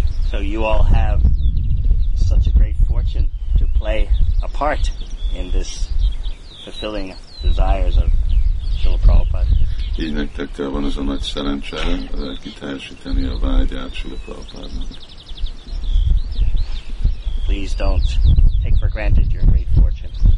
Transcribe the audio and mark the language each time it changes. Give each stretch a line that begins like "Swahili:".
English: So you all have such a great fortune to play a part in this fulfilling desires of Srila Prabhupada.
Hungarian: Így nektek van ez a nagy szerencse kiteljesíteni a vágyát Srila Prabhupádnak.
English: Please don't take for granted your great fortune.